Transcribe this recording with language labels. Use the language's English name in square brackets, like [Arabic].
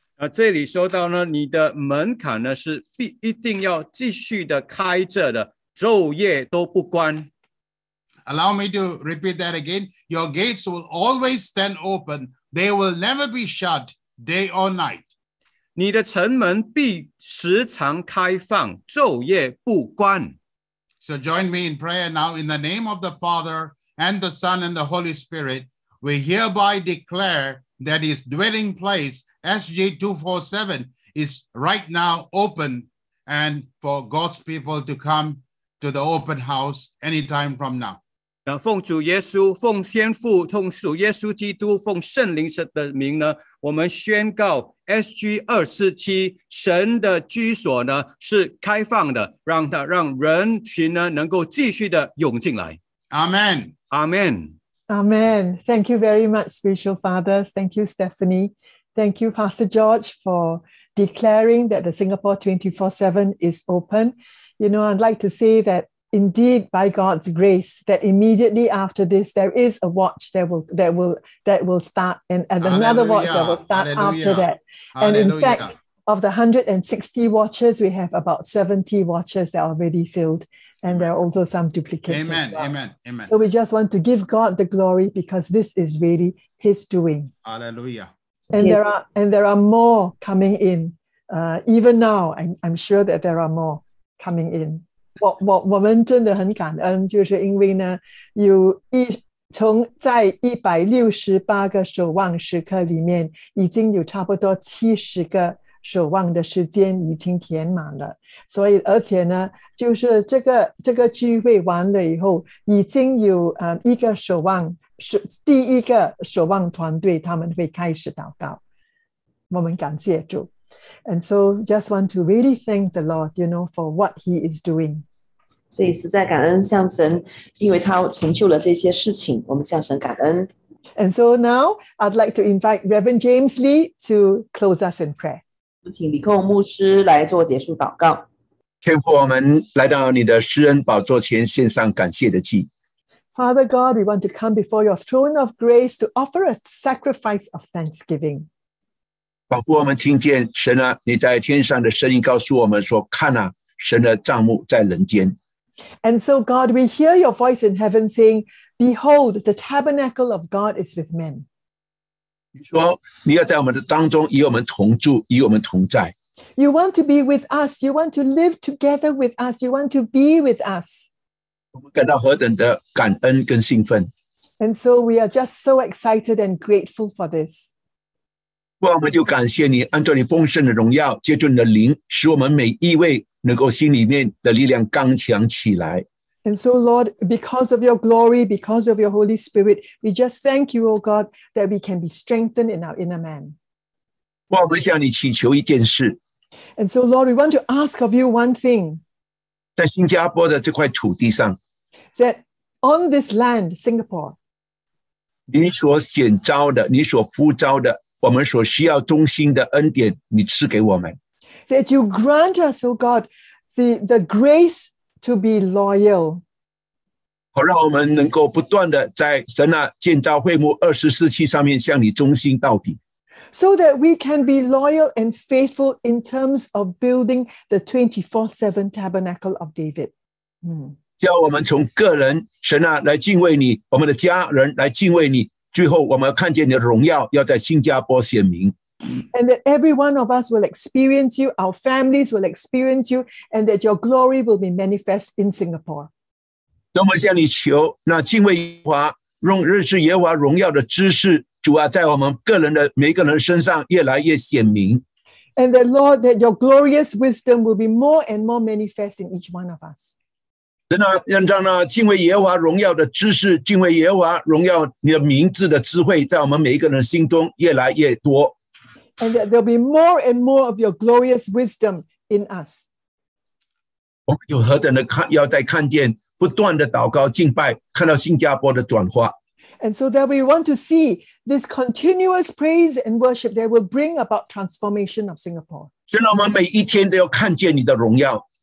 [Chinese] 这里说到呢，你的门槛呢是必一定要继续的开着的，昼夜都不关。 [English] Allow me to repeat that again, your gates will always stand open, they will never be shut day or night. [Chinese] 你的城门必时常开放，昼夜不关。 [English] So join me in prayer now in the name of the Father and the Son and the Holy Spirit. We hereby declare that His dwelling place, SG247, is right now open and for God's people to come to the open house anytime from now. [Chinese] 奉主耶稣，奉天父，奉主耶稣基督，奉圣灵的名呢，我们宣告SG247 神的居所呢是开放的，让人群呢能够继续的涌进来。 [English] Amen. Amen. Amen. Thank you very much, Spiritual Fathers. Thank you, Stephanie. Thank you, Pastor George, for declaring that the Singapore 24/7 is open. You know, I'd like to say that indeed, by God's grace, that immediately after this, there is a watch that will start, and another watch that will start after that. Hallelujah. And in fact, of the 160 watches, we have about 70 watches that are already filled, and there are also some duplicates. Amen, as well. Amen, amen. So we just want to give God the glory because this is really His doing. Hallelujah. And yes. there are more coming in. Even now, I'm sure that there are more coming in. [Chinese] 我们真的很感恩，就是因为呢，从在168个守望时刻里面，已经有差不多70个守望的时间已经填满了。所以而且呢，就是这个聚会完了以后，已经有一个守望，第一个守望团队，他们会开始祷告。我们感谢主。 [English] And so just want to really thank the Lord, you know, for what He is doing. [Chinese] 所以实在感恩向神，因为他成就了这些事情，我们向神感恩。 [English] And so now I'd like to invite Reverend James Lee to close us in prayer. [Chinese] 请李寇牧师来做结束祷告。天父，我们来到你的施恩宝座前献上感谢的祭。 [English] Father God, we want to come before your throne of grace to offer a sacrifice of thanksgiving. [Chinese] 仿佛我们听见神啊，你在天上的声音告诉我们说，看啊，神的帐幕在人间。 [English] And so God, we hear your voice in heaven saying, Behold, the tabernacle of God is with men. [Chinese] 你说你要在我们的当中与我们同住，与我们同在。 [English] You want to be with us, you want to live together with us, you want to be with us. [Chinese] 我们感到何等的感恩跟兴奋。 [English] And so we are just so excited and grateful for this. [Chinese] 我们就感谢你，按照你丰盛的荣耀，借助你的灵，使我们每一位能够心里面的力量刚强起来。 [English] And so, Lord, because of your glory, because of your Holy Spirit, we just thank you, O God, that we can be strengthened in our inner man. [Chinese] 我们向你祈求一件事。 [English] And so, Lord, we want to ask of you one thing. [Chinese] 在新加坡的这块土地上。 [English] That on this land, Singapore. [Chinese] 你所拣召的，你所呼召的。我们所需要忠心的恩典，你赐给我们。 [English] That you grant us, O God, the grace to be loyal. [Chinese] 好，让我们能够不断的在神啊建造会幕247上面向你忠心到底。 [English] So that we can be loyal and faithful in terms of building the 24/7 tabernacle of David. [Chinese] 叫我们从个人神啊来敬畏你，我们的家人来敬畏你，最后我们要看见你的荣耀要在新加坡显明。 [English] And that every one of us will experience you, our families will experience you, and that your glory will be manifest in Singapore. [Chinese] 我们向你求，那敬畏耶和华，用日志耶和华荣耀的知识，主啊，在我们个人的每一个人身上越来越显明。 [English] And that Lord, that your glorious wisdom will be more and more manifest in each one of us. [Chinese] 真的，愿让那敬畏耶和华荣耀的知识，敬畏耶和华荣耀你的名字的智慧，在我们每一个人心中越来越多。 [English] And that there'll be more and more of your glorious wisdom in us. [Chinese] 我们就何等的看，要再看见不断的祷告敬拜，看到新加坡的转化。 [English] And so that we want to see this continuous praise and worship that will bring about transformation of Singapore. [Chinese] 真的，我们每一天都要看见你的荣耀。